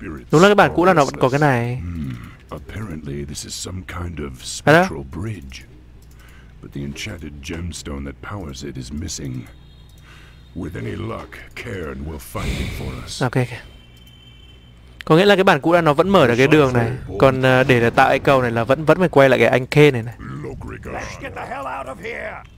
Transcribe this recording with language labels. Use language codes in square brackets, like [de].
[vi] Đúng là cái bản cũ là nó vẫn có cái này. [en] Apparently this is some kind of spectral bridge. But the enchanted gemstone that powers it is missing. With any luck, Cairn will find it for us. Okay. [vi] Có nghĩa là cái bản cũ là nó vẫn mở được cái đường này, còn để là tạo cái cầu này là vẫn phải quay lại cái anh Kane này này. [en] Let's get the hell out of here.